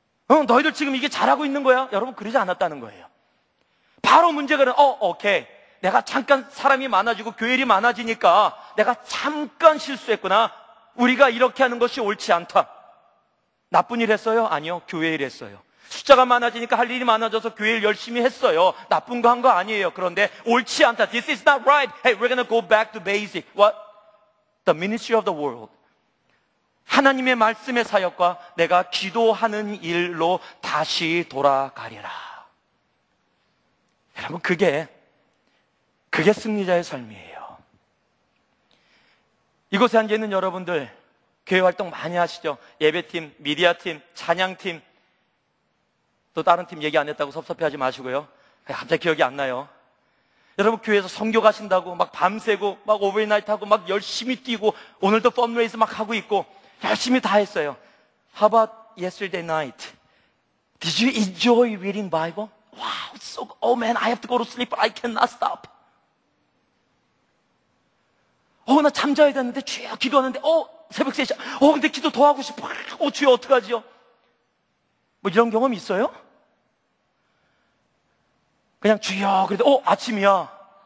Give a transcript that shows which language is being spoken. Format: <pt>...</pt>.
<ko>응, 너희들 지금 이게 잘하고 있는 거야? 여러분, 그러지 않았다는 거예요. 바로 문제가, 오케이. 내가 잠깐 사람이 많아지고 교회가 많아지니까 내가 잠깐 실수했구나. 우리가 이렇게 하는 것이 옳지 않다. 나쁜 일 했어요? 아니요, 교회 일 했어요. 숫자가 많아지니까 할 일이 많아져서 교회 일 열심히 했어요. 나쁜 거 한 거 아니에요. 그런데 옳지 않다.</ko> <en>This is not right. Hey, we're gonna go back to basic. What? The ministry of the world.</en> <ko>하나님의 말씀의 사역과 내가 기도하는 일로 다시 돌아가리라. 여러분, 그게 승리자의 삶이에요. 이곳에 앉아있는 여러분들, 교회 활동 많이 하시죠? 예배팀, 미디어팀, 찬양팀, 또 다른 팀 얘기 안 했다고 섭섭해하지 마시고요. 갑자기 기억이 안 나요. 여러분, 교회에서 선교 가신다고 막 밤새고 막 오버나이트 하고 막 열심히 뛰고 오늘도 펀드레이즈 막 하고 있고 열심히 다 했어요.</ko> <en>How about yesterday night? Did you enjoy reading Bible? Wow, so good. Oh man, I have to go to sleep, but I cannot stop.</en> <ko>나 잠자야 되는데 주여 기도하는데 새벽 3시. 근데 기도 더 하고 싶어. 주여 어떡하지요? 뭐 이런 경험 있어요? 그냥 주여 그래도 어 아침이야.</ko>